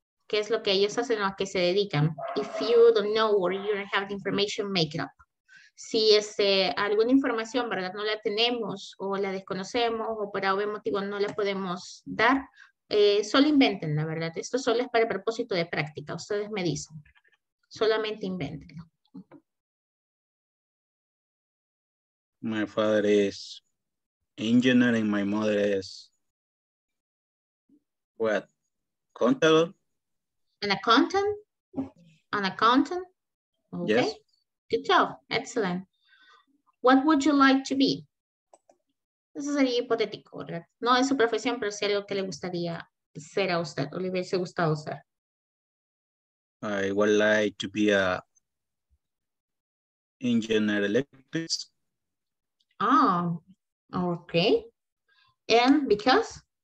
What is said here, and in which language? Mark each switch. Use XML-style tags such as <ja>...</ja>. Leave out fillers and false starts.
<es>¿Qué es lo que ellos hacen o a qué se dedican?</es> <en>If you don't know or you don't have the information, make it up.</en> <es>Si es alguna información, ¿verdad? No la tenemos o la desconocemos o por algún motivo no la podemos dar, solo inventen, la verdad. Esto solo es para el propósito de práctica. Ustedes me dicen. Solamente inventenlo.</es> <en>My father is engineer and my mother is what?</en> <es>Contador?</es> <en>An accountant? Okay. Yes. Good job. Excellent. What would you like to be?</en> <es>Eso sería hipotético, ¿verdad? No es su profesión, pero sí algo que le gustaría ser a usted o le hubiese gustado ser.</es> <en>I would like to be a engineer electric. Ah, oh, okay. And because?</en>